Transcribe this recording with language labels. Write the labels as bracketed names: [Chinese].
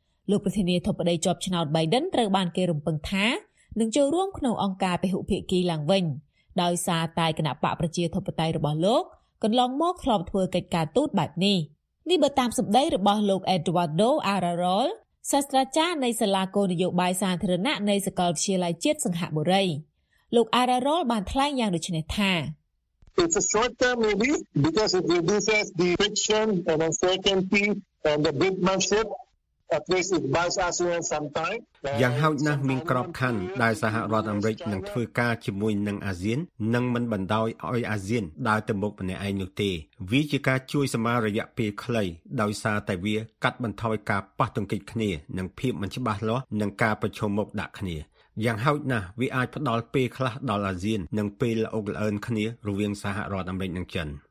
[Khmer] លោកប្រធានាធិបតីជាប់ឆ្នោត Biden ត្រូវបានគេរំពឹងថានឹងចូលរួមក្នុងអង្គការពហុភាគីឡើងវិញដោយសារតែគណៈបកប្រជាធិបតេយ្យរបស់លោកកន្លងមកធ្លាប់ធ្វើកិច្ចការទូតបែបនេះនេះបើតាមសម្ដីរបស់លោក Eduardo Ararol សាស្ត្រាចារ្យនៃសាលាគោលនយោបាយសាធារណៈនៃសាកលវិទ្យាល័យជាតិសង្ហបុរីលោក Ararol បានថ្លែងយ៉ាងដូចនេះថា [English] It's a short term maybe because it reduces the friction and uncertainty and the brinkmanship at least it buys us sometime [Khmer] យ៉ាងហោចណាស់មានក្របខ័ណ្ឌដែលសហរដ្ឋអាមេរិកនឹងធ្វើការជាមួយនឹងអាស៊ាននិងមិនបណ្តោយឲ្យអាស៊ានដើរទៅមុខម្នាក់ឯងនោះទេវាជាការជួយសម្អាតរយៈពេលខ្លីដោយសារតែវាកាត់បន្ថយការប៉ះទង្គិចគ្នានិងភាពមិនច្បាស់លាស់នឹងការប្រឈមមុខដាក់គ្នាយ៉ាងហោចណាស់វាអាចផ្តល់ពេលខ្លះដល់អាស៊ាននិងពេលល្អុកល្អឿនគ្នារវាងសហរដ្ឋអាមេរិកនិងចិន